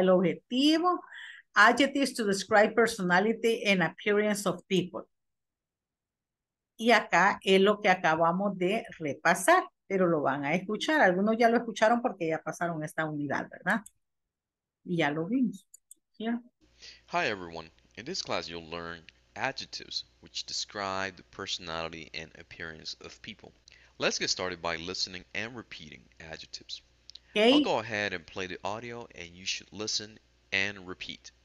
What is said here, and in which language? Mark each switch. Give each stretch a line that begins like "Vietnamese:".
Spanish: El objetivo,
English: adjectives to describe personality and appearance of people.
Spanish: Y acá es lo que acabamos de repasar, pero lo van a escuchar. Algunos ya lo escucharon porque ya pasaron esta unidad, ¿verdad? Y ya lo vimos. Yeah.
English: Hi, everyone. In this class, you'll learn adjectives which describe the personality and appearance of people. Let's get started by listening and repeating adjectives. Okay. I'll go ahead and play the audio and you should listen and repeat.